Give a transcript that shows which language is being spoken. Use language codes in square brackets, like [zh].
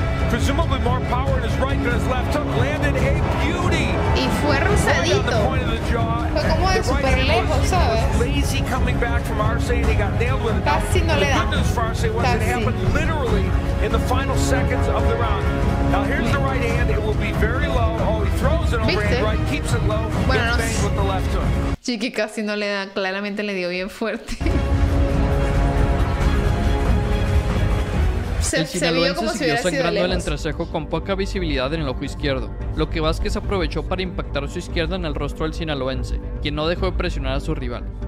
[en] Presumably more power in his right than his left hook. Landed a beauty. [es] Y fue rosadito. Fue como de super lejos, ¿sabes? [en] Lazy coming back from Arce and he got nailed with it. [es] Casi no le da. [en] The good news for Arce was it happened literally in the final seconds of the round. Now here's the right hand. It will be very low. Oh, he throws it overhand right, keeps it low. [es] Bueno, no, [en] with the left hook. [es] Chiqui casi no le da. Claramente le dio bien fuerte. El sinaloense siguió sangrando el entrecejo con poca visibilidad en el ojo izquierdo, lo que Vázquez aprovechó para impactar su izquierda en el rostro del sinaloense, quien no dejó de presionar a su rival.